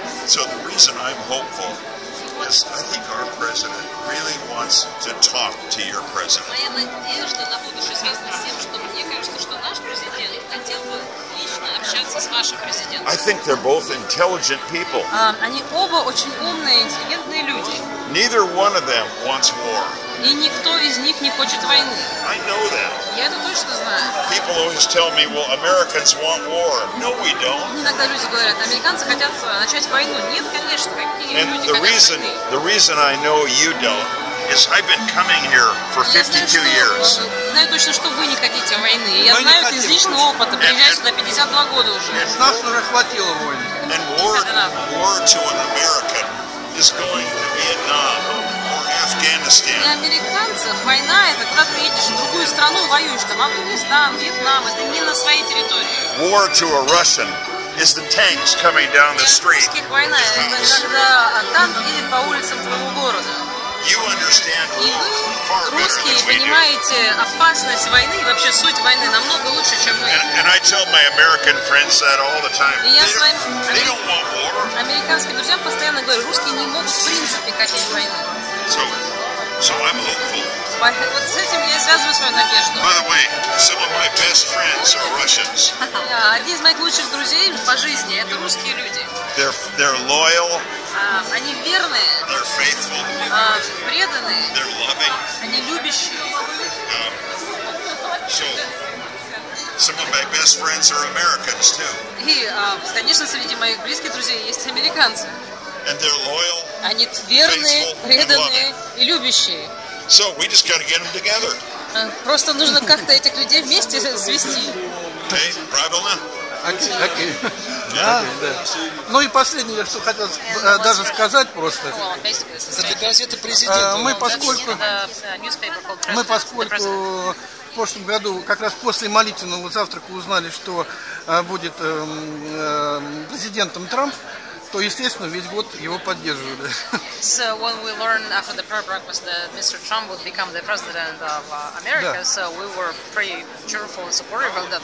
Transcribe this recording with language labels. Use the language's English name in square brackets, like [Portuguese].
[English] So the reason I'm hopeful. Because I think our president really wants to talk to your president. [Russian] Моя надежда на будущее связана с тем, что мне кажется, что наш президент хотел бы лично общаться с вашим президентом. [English] I think they're both intelligent people. [Russian] Они оба очень умные, интеллигентные люди. [English] Neither one of them wants war. [Russian] И никто из них не хочет войны. [English] I know that. [Russian] Я это точно знаю. [English] People always tell me, well, Americans want war. No, we don't. [Russian] Иногда люди говорят, американцы хотят начать войну. Нет, конечно, какие люди хотят войны. [English] The reason I know you don't is I've been coming here for 52 years. [Russian] Я знаю точно, что вы не хотите войны. Я знаю это из личного опыта, приезжаю сюда 52 года уже. С нас уже хватило войны. [English] And war to an American is going to Vietnam. [Russian] Для американцев война – это когда ты едешь в другую страну и воюешь, там Афганистан, Вьетнам – это не на своей территории. [English] War to a Russian is the tanks coming down the street. [Russian] Русских война – это когда танк едет по улицам твоего города. [English] You understand far better than we do. [Russian] И вы, русские, понимаете опасность войны и вообще суть войны намного лучше, чем мы. [English] And I tell my American friends that all the time. [Russian] И я своим американским друзьям постоянно говорю, русские не могут в принципе хотеть войны. [English] So I'm hopeful. [Russian] Вот с этим я связываю свою надежду. [English] By the way, some of my best friends are Russians. [Russian] Одни из моих лучших друзей по жизни – это русские люди. [English] They're loyal. [Russian] Они верные. [English] They're faithful. [Russian] Преданные. [English] They're loving. [Russian] Они любящие. [English] Some of my best friends are Americans too. [Russian] И, конечно, среди моих близких друзей есть американцы. [English] And they're loyal. [Russian] Они верные, преданные и любящие. [English] So we just gotta get them together. [Russian] Просто нужно как-то этих людей вместе свести. Hey, правильно? Окей. Да. Ну и последнее, что хотел даже сказать просто. Это газета президента. Мы поскольку в прошлом году, как раз после молитвенного завтрака, узнали, что будет президентом Трамп, то, естественно, весь год его поддерживали. [English] So when we learned after the prayer breakfast that Mr. Trump would become the president of America, [Russian] да. [English] So we were pretty cheerful and supportive of that.